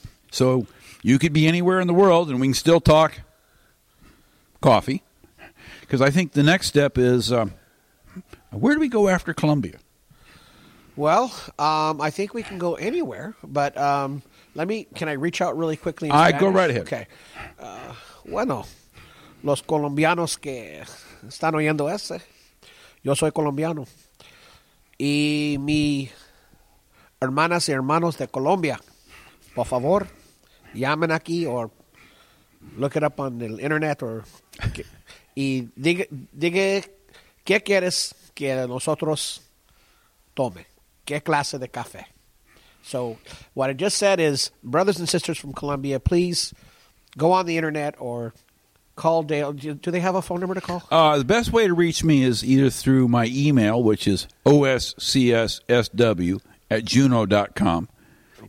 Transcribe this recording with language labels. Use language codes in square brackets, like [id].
[en] So you could be anywhere in the world and we can still talk coffee. Because I think the next step is, where do we go after Colombia? Well, I think we can go anywhere, but can I reach out really quickly? Go right ahead. Okay. [es] Los colombianos que están oyendo ese. Yo soy colombiano. Y mi hermanas y hermanos de Colombia, por favor, llamen aquí or look it up on the internet or y diga qué quieres que nosotros tome. Qué clase de café. [en] So what I just said is, brothers and sisters from Colombia, please go on the internet or call Dale. Do they have a phone number to call? The best way to reach me is either through my email, which is oscssw@juno.com. Okay.